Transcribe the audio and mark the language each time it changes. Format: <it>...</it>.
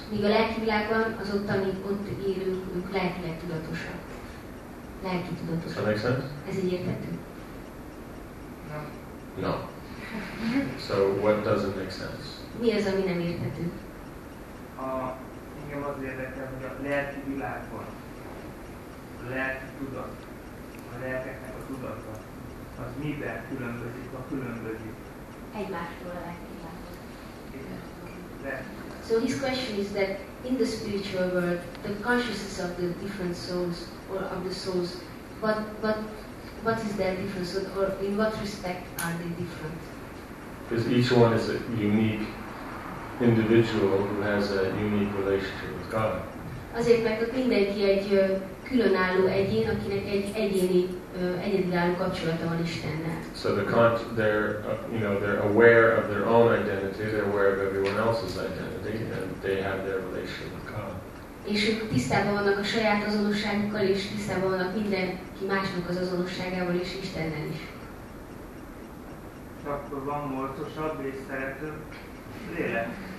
<hu>Míg a lelki világban, az ott, amit ott élünk, ők lelkileg tudatosak. Lelki tudatosak. Ez így érthető?</hu> <en>No. So what doesn't make sense?</en> <hu>Mi az, ami nem érthető? Engem az érdekel, hogy a lelki világban, a lelki tudat, a lelkeknek a tudata, az miben különbözik, ha különbözik? Egymástól a lelki világban.</hu> <en>So his question is that in the spiritual world, the consciousness of the different souls or of the souls, what is their difference or in what respect are they different? Yeah. Because each one is a unique individual who has a unique relationship with God.</en> <hu>Azért, mert ott mindenki egy különálló egyén, akinek egy egyedülálló kapcsolata van Istennel.</hu> <en>So they're you know, they're aware of their own identity, they're aware of everyone else's identity, and they have their relationship with God.</en> <hu>És ők tisztában vannak a saját azonosságukkal, és tisztában vannak mindenki másnak az azonosságával, és Istennel is. Csak van morcosabb és szeretőbb lélek.</hu>